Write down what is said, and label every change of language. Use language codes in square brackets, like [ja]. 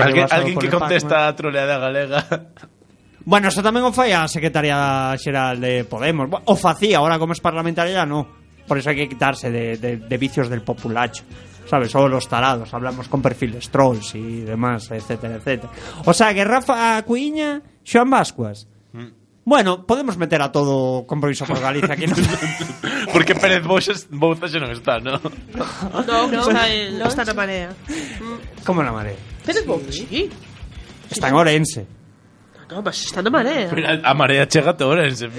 [es] Alguien que contesta a troleada galega... Bueno, eso también [gl] o fai a Secretaría Xeral de Podemos. O facía, [es] ahora como es parlamentaria, no. Por eso hay que quitarse de vicios del populacho, ¿sabes? Solo los tarados, hablamos con perfiles trolls y demás, etcétera, etcétera. O sea, que Rafa Cuiña, Xoán Vascuas. Bueno, podemos meter a todo Compromiso por Galicia aquí. No. Porque Pérez Bouza ya no está, ¿no? No, no está en la marea. ¿Cómo en la marea? Pérez Bouza, sí. Está en Orense. No, pues está en marea. [gl] Mira, a marea chega todo Orense.